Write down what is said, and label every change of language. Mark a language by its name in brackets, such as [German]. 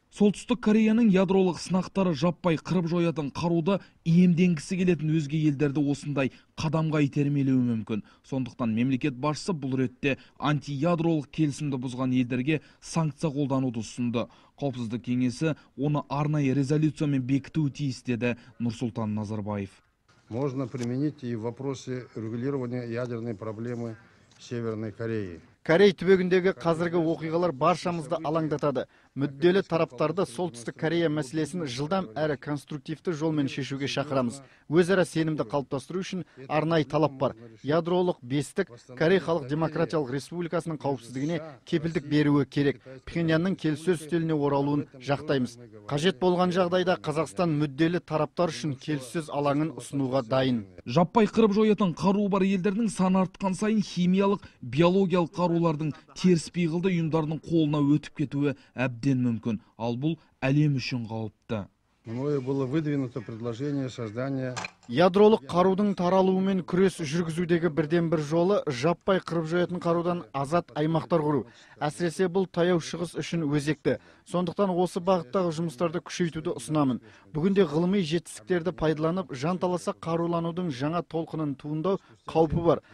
[Kazakh] Солтүстік Кореяның ядролық сынақтары жаппай қырып жоятын қаруды иемденгісі келетін өзге елдерді осындай қадамға итермелеуі мүмкін. Сондықтан мемлекет басшысы бұл ретте антиядролық келісімді бұзған елдерге санкция қолдануды ұсынды. Қауіпсіздік кеңесі оны арнайы резолюциямен бекітуі тиіс, деді Нұрсұлтан Назарбаев. [Russian] Можно применить и в вопросе регулирования ядерной проблемы Северной Кореи. [Kazakh] Корей түбегіндегі қазіргі оқиғалар баршамызды алаңдатады. Мүдделі тараптарды Солтүстік Корея мәселесін жылдам әрі конструктивті жолмен шешуге шақырамыз. Өзара сенімді қалыптастыру үшін арнай талап бар. Ядролық бестік Корей Халық Демократиялық Республикасының қауіпсіздігіне кепілдік беруі керек. Пхеньянның келіссөз үстеліне оралуын жақтаймыз. Қажет болған жағдайда Қазақстан мүдделі тараптар үшін келіссөз алаңын ұсынуға дайын. Жаппай қырып жоятын қаруы бар елдердің саны артқан сайын химиялық, биологиялық қарулардың теріс пиғылды ұйымдардың қолына өтіп кетуі әбден мүмкін. Ал бұл әлем үшін қауіпті. [Russian] Мною было выдвинуто предложение создания... [Kazakh] Ядролық қарудың таралуымен күрес жүргізудегі бірден бір жолы жаппай қырып жоятын қарудан азат аймақтар құру. Әсіресе бұл таяу шығыс үшін өзекті. Сондықтан осы бағыттағы жұмыстарды күшейтуді ұсынамын. Бүгінде ғылыми жетістіктерді пайдаланып, жанталаса қаруланудың жаңа толқынын туындау қаупі бар.